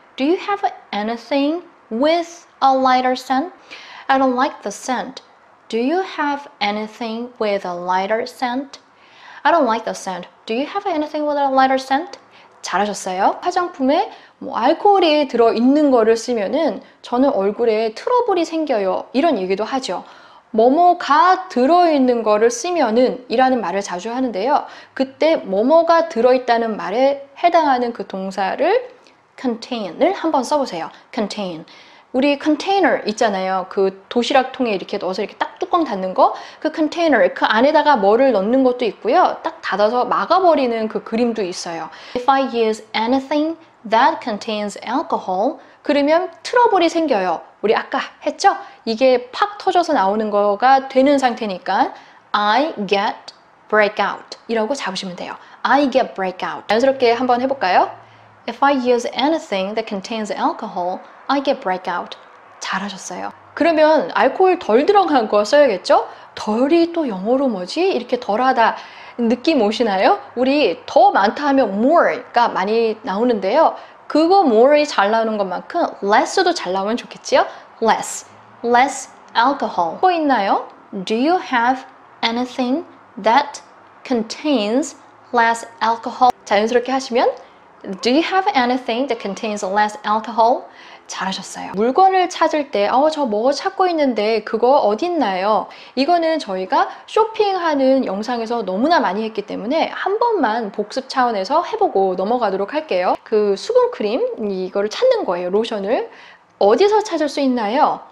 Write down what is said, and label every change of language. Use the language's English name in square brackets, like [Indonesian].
[English] Do you have anything with a lighter scent? I don't like the scent. Do you have anything with a lighter scent? I don't like the scent. Do you have anything with a lighter scent? [Korean] 잘하셨어요. 화장품에 뭐 알코올이 들어있는 거를 쓰면은 저는 얼굴에 트러블이 생겨요. 이런 얘기도 하죠. 뭐뭐가 들어있는 거를 쓰면은 이라는 말을 자주 하는데요. 그때 뭐뭐가 들어있다는 말에 해당하는 그 동사를 contain을 한번 써보세요. contain. 우리 컨테이너 있잖아요. 그 도시락통에 이렇게 넣어서 이렇게 딱 뚜껑 닫는 거. 그 컨테이너, 그 안에다가 뭐를 넣는 것도 있고요. 딱 닫아서 막아버리는 그 그림도 있어요. [English] If I use anything that contains alcohol, [Korean] 그러면 트러블이 생겨요. 우리 아까 했죠? 이게 팍 터져서 나오는 거가 되는 상태니까 [English] I get breakout [Korean] 이라고 잡으시면 돼요. [English] I get breakout. [Korean] 자연스럽게 한번 해볼까요? [English] If I use anything that contains alcohol, I get breakout. [Korean] 잘하셨어요. 그러면 알코올 덜 들어간 거 써야겠죠? 덜이 또 영어로 뭐지? 이렇게 덜하다 느낌 오시나요? 우리 더 많다 하면 more가 많이 나오는데요. 그거 more이 잘 나오는 것만큼 less도 잘 나오면 좋겠지요? Less. [English] Less alcohol. [Korean] 뭐 있나요? [English] Do you have anything that contains less alcohol? [Korean] 자연스럽게 하시면 [English] Do you have anything that contains less alcohol? [Korean] 잘하셨어요. 물건을 찾을 때, 저뭐 찾고 있는데 그거 어딨나요? 이거는 저희가 쇼핑하는 영상에서 너무나 많이 했기 때문에 한 번만 복습 차원에서 해보고 넘어가도록 할게요. 그 수분크림, 이거를 찾는 거예요. 로션을. 어디서 찾을 수 있나요?